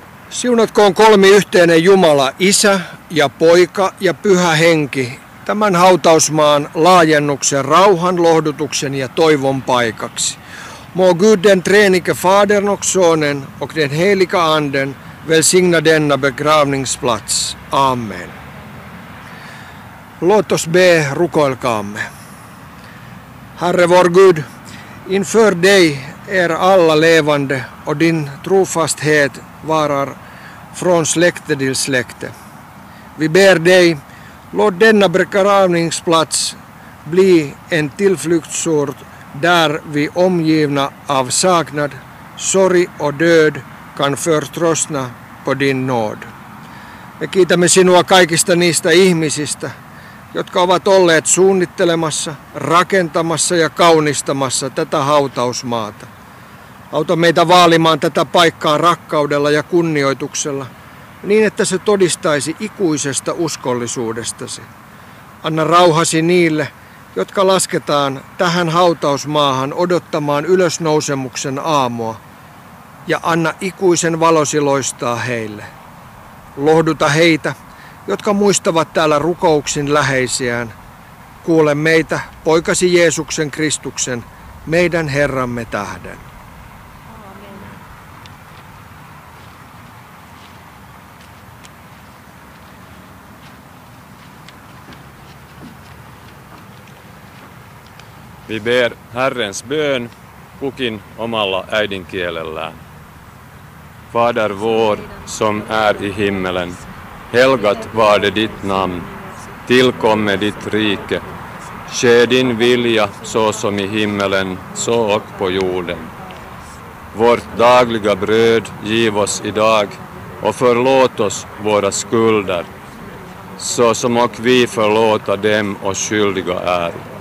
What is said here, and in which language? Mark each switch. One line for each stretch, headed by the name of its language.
Finnish: Siunatkoon kolmiyhteinen Jumala, Isä ja Poika ja Pyhä Henki, tämän hautausmaan laajennuksen rauhan, lohdutuksen ja toivon paikaksi.
Swedish: Må Gud den treenike Fadern och Sonen och den heliga Anden välsigna denna begravningsplats. Amen. Låt oss be,
Finnish: rukoilkaamme.
Swedish: Herre vår Gud, inför dig är alla levande och din trofasthet varar från släkte till släkte. Vi ber dig, låt denna begravningsplats bli en tillflyktsort där vi omgivna av saknad, sorg och död kan förtrostna på din nåd.
Finnish: Me kiitämme sinua kaikista niistä ihmisistä, jotka ovat olleet suunnittelemassa, rakentamassa ja kaunistamassa tätä hautausmaata. Auta meitä vaalimaan tätä paikkaa rakkaudella ja kunnioituksella, niin että se todistaisi ikuisesta uskollisuudestasi. Anna rauhasi niille, jotka lasketaan tähän hautausmaahan odottamaan ylösnousemuksen aamua, ja anna ikuisen valosi loistaa heille. Lohduta heitä, jotka muistavat täällä rukouksin läheisiään. Kuule meitä, poikasi Jeesuksen Kristuksen, meidän Herramme tähden.
Swedish: Vi ber Herrens bön,
Finnish: kukin omalla äidinkielellään.
Swedish: Fader vår, som är i himmelen, helgat varde ditt namn, tillkomme ditt rike, ske din vilja så som i himmelen, så och på jorden. Vårt dagliga bröd giv oss idag, och förlåt oss våra skulder, så som och vi förlåta dem och skyldiga är.